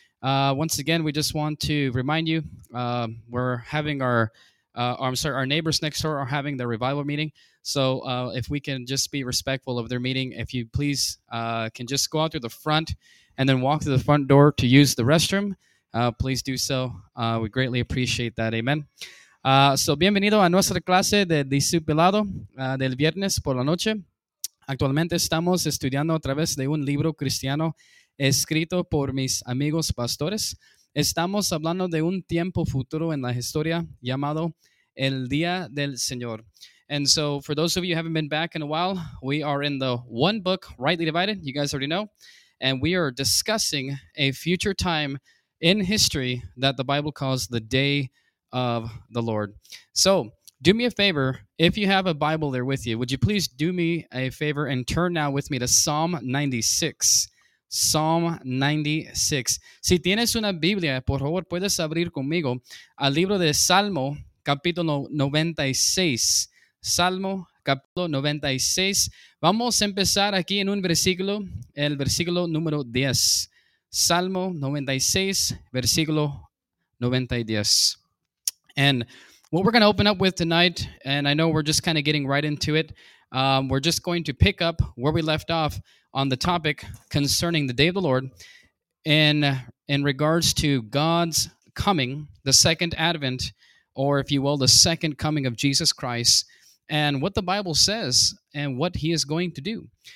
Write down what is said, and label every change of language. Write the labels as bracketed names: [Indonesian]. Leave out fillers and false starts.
[English] Once again, we just want to remind you, we're having our neighbors next door are having their revival meeting. So if we can just be respectful of their meeting, if you please can just go out through the front and then walk through the front door to use the restroom, please do so. We greatly appreciate that. Amen. [Spanish] So bienvenido a nuestra clase de discipulado del viernes por la noche. Actualmente estamos estudiando a través de un libro cristiano escrito por mis amigos pastores. Estamos hablando de un tiempo futuro en la historia llamado el Día del Señor. [English] And so for those of you who haven't been back in a while, we are in the one book, Rightly Divided, you guys already know, and we are discussing a future time in history that the Bible calls the Day of the Lord. So do me a favor, if you have a Bible there with you, would you please do me a favor and turn now with me to Psalm 96. Psalm 96. [Spanish] Si tienes una Biblia, por favor, puedes abrir conmigo al libro de Salmo, capítulo 96. Salmo, capítulo 96. Vamos a empezar aquí en un versículo, el versículo número 10. Salmo 96, versículo 90 y 10. [English] And what we're going to open up with tonight, and I know we're just kind of getting right into it, we're just going to pick up where we left off on the topic concerning the Day of the Lord in regards to God's coming, the second advent, or if you will, the second coming of Jesus Christ, and what the Bible says and what he is going to do.